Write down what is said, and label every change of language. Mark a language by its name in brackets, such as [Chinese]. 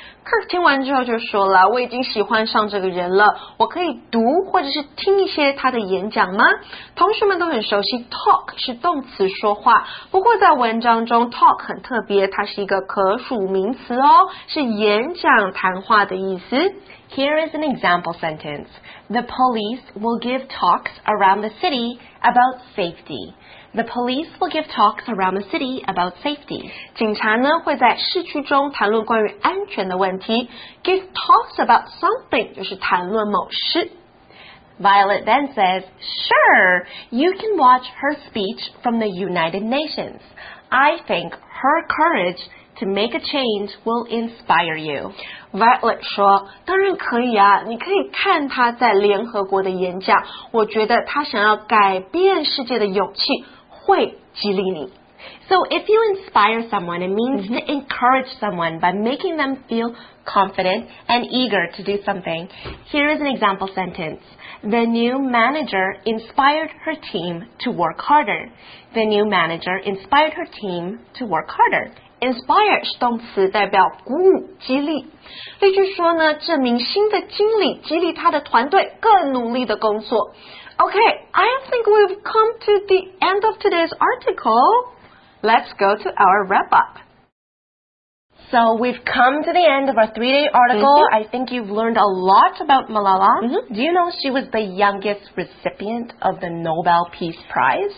[Chinese] Kirk 听完之后就说了我已经喜欢上这个人了我可以读或者是听一些他的演讲吗同学们都很熟悉 talk 是动词说话不过在文章中 talk 很特别它是一个可数名词哦是演讲谈话的意思 [English] Here is an example sentence The police will give talks around the city about safety The police will give talks around the city about safety. [Chinese] 警察呢会在市区中谈论关于安全的问题。 [English] Give talks about something [Chinese] 就是谈论某事。 [English] Violet then says, Sure, you can watch her speech from the United Nations. I think her courage to make a change will inspire you. [Chinese] Violet 说，当然可以啊，你可以看她在联合国的演讲。我觉得她想要改变世界的勇气。会激励你 [English] So if you inspire someone, it means to encourage someone by making them feel confident and eager to do something. Here is an example sentence. The new manager inspired her team to work harder. The new manager inspired her team to work harder. [Chinese] Inspire 是动词，代表鼓舞、激励。例句说呢，这名新的经理激励他的团队更努力的工作。 [English] Okay, I think we've come to the end of today's article. Let's go to our wrap up. So we've come to the end of our 3-day article. I think you've learned a lot about Malala. Mm-hmm. Do you know she was the youngest recipient of the Nobel Peace Prize?